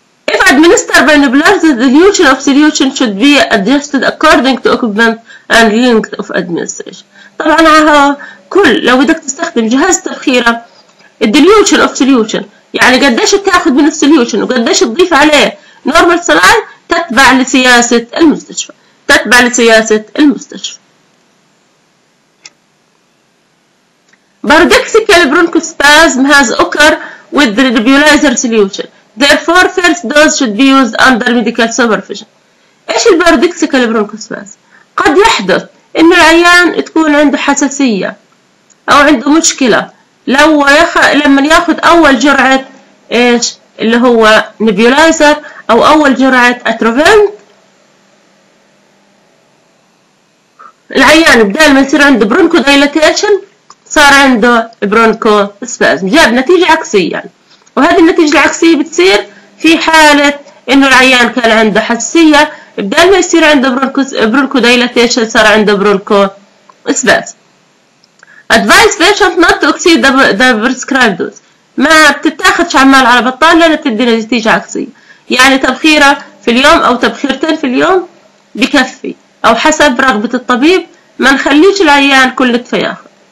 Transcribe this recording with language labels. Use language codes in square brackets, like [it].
[en] If administered by nebulizer, the solution of solution should be adjusted according to equipment and length of administration. [ar] طبعا ها كل لو بدك تستخدم جهاز تبخيرة [en] solution of solution [ar] يعني قديش تاخذ من solution وقديش تضيف عليه normal saline تتبع لسياسة المستشفى، تتبع لسياسة المستشفى. [en] Paroxysmal bronchospasm has occurred with the nebulizer solution. Therefore, first dose should be used under medical supervision. [ar] إيش الباردكسيكال برونكوسباز؟ قد يحدث إن العيان تكون عنده حساسية أو عنده مشكلة لما ياخذ أول جرعة إيش اللي هو نيبولايزر أو أول جرعة أتروفنت. العيان بدال ما يصير عنده برونكو دايلاتيشن صار عنده برونكوسباز، جاب نتيجة عكسية. وهذه النتيجة العكسية بتصير في حالة إنه العيان كان عنده حساسية، بدل ما يصير عنده برونكو دايلاتيشن صار عنده برونكو اسباز. [en] Advise patient not to exceed the prescribed dose. [ar] ما بتتاخدش عمال على بطال لأنها بتدي نتيجة عكسية. يعني تبخيرة في اليوم أو تبخيرتين في اليوم بكفي، أو حسب رغبة الطبيب ما نخليش العيان كل تفياخر.